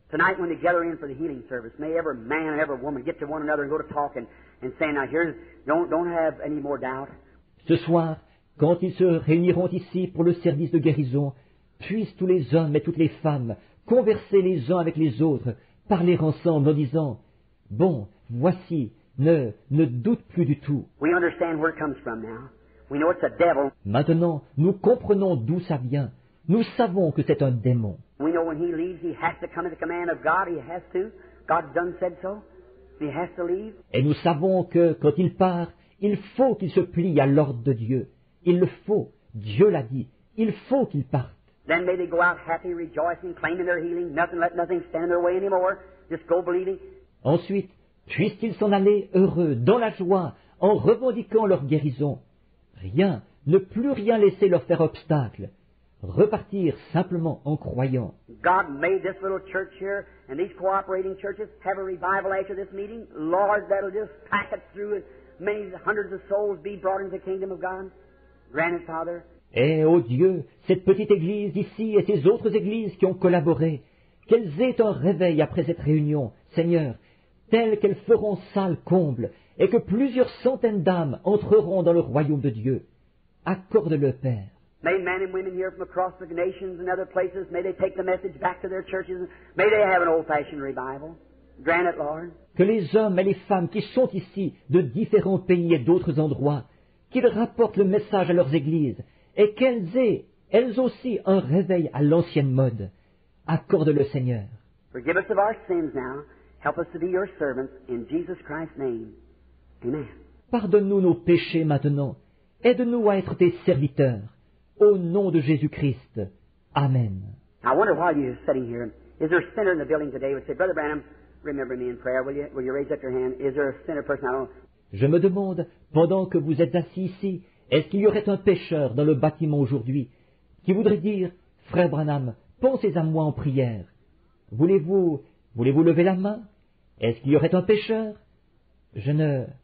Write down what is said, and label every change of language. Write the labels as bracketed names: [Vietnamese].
[English] Tonight when they gather in for the healing service, may every man and every woman get to one another and go to talk and say, now here's, don't have any more doubt. [French] Ce soir, quand ils se réuniront ici pour le service de guérison, puissent tous les hommes et toutes les femmes converser les uns avec les autres, parler ensemble en disant, bon, voici, ne doute plus du tout. [English] We understand where it comes from now. We know it's a devil. [French] Maintenant, nous comprenons d'où ça vient. Nous savons que c'est un démon. [English] We know when he leaves, he has to come at the command of God. He has to. God's done said so. He has to leave. [French] Et nous savons que quand il part, il faut qu'il se plie à l'ordre de Dieu. Il le faut. Dieu l'a dit. Il faut qu'il parte. [English] Then may they go out happy, rejoicing, claiming their healing. Nothing, let nothing stand in their way anymore. Just go believing. [French] Ensuite, puissent-ils s'en aller heureux, dans la joie, en revendiquant leur guérison. Rien, ne plus rien laisser leur faire obstacle. Repartir simplement en croyant. [English] God made this little church here, and these cooperating churches have a revival after this meeting. Lord, that'll just pack it through and many hundreds of souls be brought into the kingdom of God. Grant it, Father. [French] Eh, oh Dieu, cette petite église ici et ces autres églises qui ont collaboré, qu'elles aient un réveil après cette réunion, Seigneur, telles qu'elles feront salle comble, et que plusieurs centaines d'âmes entreront dans le royaume de Dieu. Accorde-le, Père. [English] May men and women here from across the nations and other places, may they take the message back to their churches, may they have an old-fashioned revival. Grant it, Lord. [French] Que les hommes et les femmes qui sont ici de différents pays et d'autres endroits, qu'ils rapportent le message à leurs églises, et qu'elles aient elles aussi un réveil à l'ancienne mode. Accorde le Seigneur. [English] Forgive us of our sins now. Help us to be your servants in Jesus Christ's name. Amen. [French] Pardonne-nous nos péchés maintenant. Aide-nous à être tes serviteurs. Au nom de Jésus-Christ. Amen. [English] I wonder why you're sitting here. Is there a sinner in the building today who would say, Brother Branham, remember me in prayer, will you? Will you raise up your hand? Is there a sinner person? I don't... [French] Je me demande, pendant que vous êtes assis ici, est-ce qu'il y aurait un pécheur dans le bâtiment aujourd'hui qui voudrait dire, Frère Branham, pensez à moi en prière. Voulez-vous lever la main? Est-ce qu'il y aurait un pécheur? Je ne...